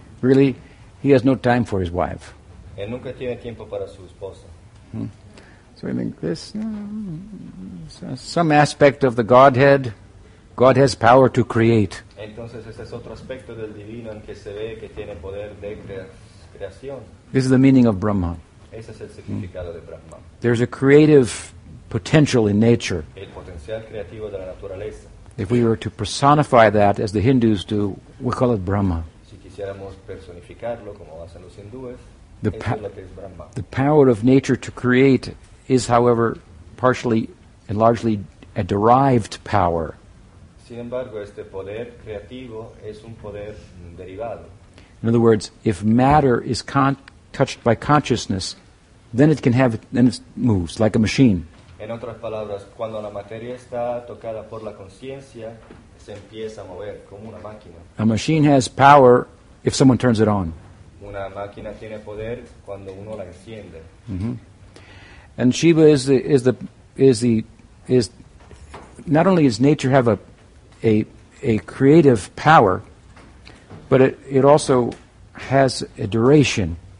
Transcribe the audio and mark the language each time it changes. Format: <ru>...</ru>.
<en>Really, he has no time for his wife.</en> <es>Él nunca tiene tiempo para su esposa. Hmm.</es> <en>So I think this, some aspect of the Godhead, God has power to create.</en> <es>Entonces ese es otro aspecto del divino en que se ve que tiene poder de creación.</es> <en>This is the meaning of Brahma.</en> <es>Ese es el significado de Brahma.</es> <en>There's a creative potential in nature.</en> <es>El potencial creativo de la naturaleza.</es> <en>If we were to personify that as the Hindus do, we call it Brahma.</en> <es>Si quisiéramos personificarlo como hacen los hindúes,</es> <en>The power of nature to create is, however, partially and largely a derived power.</en> <es>Sin embargo, este poder creativo es un poder derivado.</es> <en>In other words, if matter is touched by consciousness, then it can have, then it moves like a machine.</en> <es>En otras palabras, cuando la materia está tocada por la conciencia, se empieza a mover como una máquina.</es> <en>A machine has power if someone turns it on.</en> <es>Una máquina tiene poder cuando uno la enciende. Mm-hmm.</es> <en>And Shiva is not only does nature have a creative power, but it also has a duration.</en>